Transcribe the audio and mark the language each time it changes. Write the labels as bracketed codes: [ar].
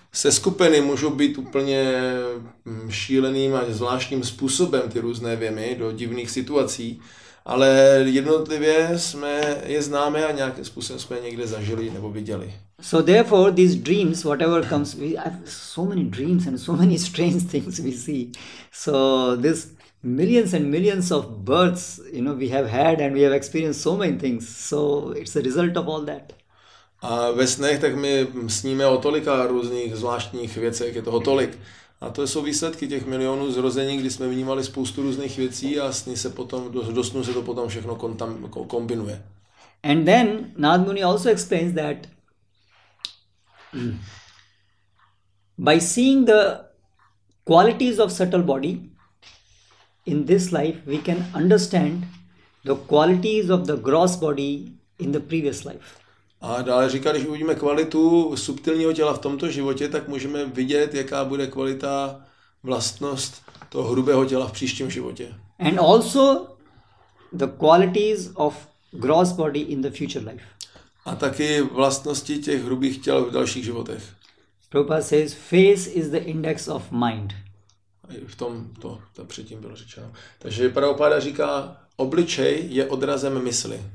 [cs] Se skupiny můžou být úplně šíleným a zvláštním způsobem ty různé věmy do divných situací, ale jednotlivě jsme je známe a nějakým způsobem jsme je někde zažili nebo viděli. [en] So therefore these dreams, whatever comes, we have so many dreams and so many strange things we see. So this millions and millions of births, you know, we have had and we have experienced so many things. So it's a result of all that. [cs] A ve snech tak my sníme o tolika různých zvláštních věcech, je toho tolik. A to jsou výsledky těch milionů zrození, kdy jsme vnímali spoustu různých věcí a sní se potom, do snu se to potom všechno kombinuje. [en] And then Narada Muni also explains that by seeing the qualities of subtle body in this life, we can understand the qualities of the gross body in the previous life. [cs] A dále říká, když uvidíme kvalitu subtilního těla v tomto životě, tak můžeme vidět, jaká bude kvalita, vlastnost toho hrubého těla v příštím životě. [en] And also the qualities of gross body in the future life. [cs] A taky vlastnosti těch hrubých těl v dalších životech. [en] Prabhupada says, face is the index of mind. [cs] V tom to předtím bylo řečeno. Takže Prabhupada říká, obličej je odrazem mysli.